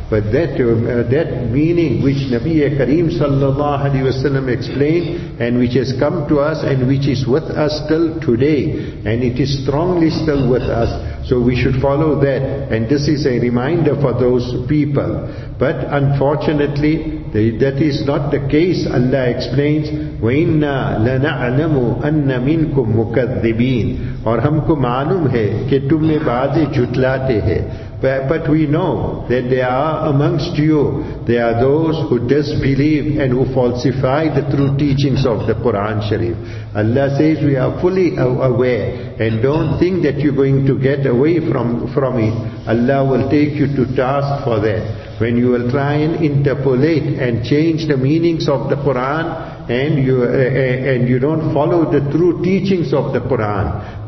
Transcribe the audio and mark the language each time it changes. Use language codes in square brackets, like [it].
[en] But that meaning which Nabi Kareem sallallahu alaihi wasallam explained and which has come to us and which is with us till today, and it is strongly still with us, so we should follow that. And this is a reminder for those people. But unfortunately, that is not the case. [ur] Allah explains, [ar] وَإِنَّا لَنَعْلَمُ أَنَّ مِنْكُمْ مُكَذِّبِينَ. [ur] اور ہم کو معلوم ہے کہ تم میں بعضے جھٹلاتے ہیں. [en] But we know that there are amongst you, there are those who disbelieve and who falsify the true teachings of the Quran Sharif. Allah says we are fully aware, and don't think that you're going to get away from it. Allah will take you to task for that. When you will try and interpolate and change the meanings of the Quran, and you don't follow the true teachings of the Quran.